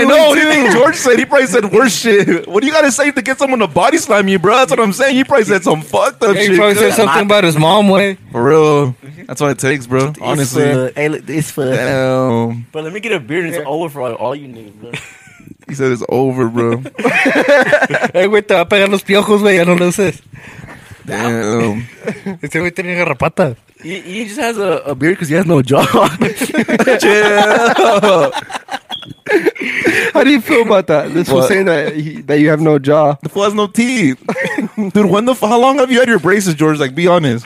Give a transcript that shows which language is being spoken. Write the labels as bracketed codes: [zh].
[en] I know. What do you think George said? He probably said worse shit. What do you got to say to get someone to body slam you, bro? That's what I'm saying. He probably said some fucked up shit. He probably said something about his mom, way. For real. That's what it takes, bro. Honestly. It's for... Damn. But let me get a beard and it's over for all you need, bro. He said it's over, bro. [es] Hey, güey, te va a pegar los piojos, güey. Ya no lo haces. [en] Damn. [es] Este güey tiene garrapata. [en] He just has a beard because he has no jaw. Chill. How do you feel about that? This was saying that you have no jaw. The fool has no teeth. Dude, how long have you had your braces, George? Like, be honest.